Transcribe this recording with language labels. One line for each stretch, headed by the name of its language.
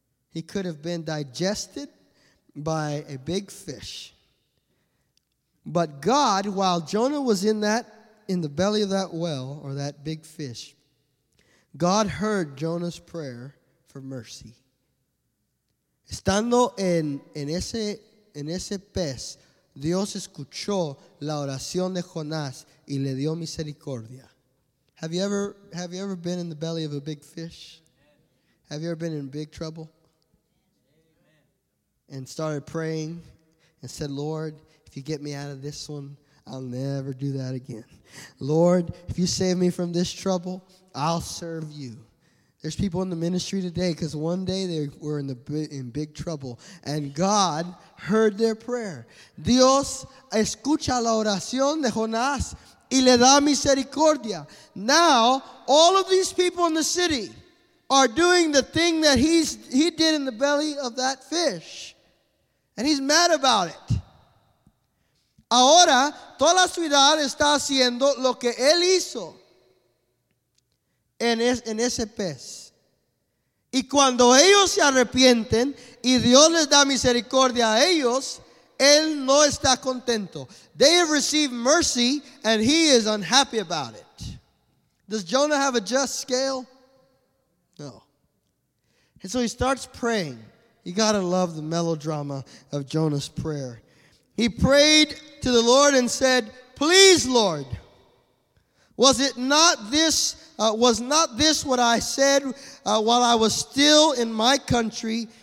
English: He could have been digested by a big fish. But God, while Jonah was in that, in the belly of that well, or that big fish, God heard Jonah's prayer for mercy.
Spanish: Estando en ese pez, Dios escuchó la oración de Jonás y le dio misericordia.
English: Have you ever been in the belly of a big fish? Have you ever been in big trouble? And started praying and said, Lord, if you get me out of this one, I'll never do that again. Lord, if you save me from this trouble, I'll serve you. There's people in the ministry today because one day they were in big trouble and God heard their prayer.
Spanish: Dios escucha la oración de Jonás y le da misericordia.
English: Now, all of these people in the city are doing the thing that he did in the belly of that fish. And he's mad about it.
Spanish: Ahora, toda la ciudad está haciendo lo que él hizo en ese pez. Y cuando ellos se arrepienten y Dios les da misericordia a ellos, él no está contento.
English: They have received mercy and he is unhappy about it. Does Jonah have a just scale? No. And so he starts praying. You got to love the melodrama of Jonah's prayer. He prayed to the Lord and said, please, Lord, was not this what I said while I was still in my country?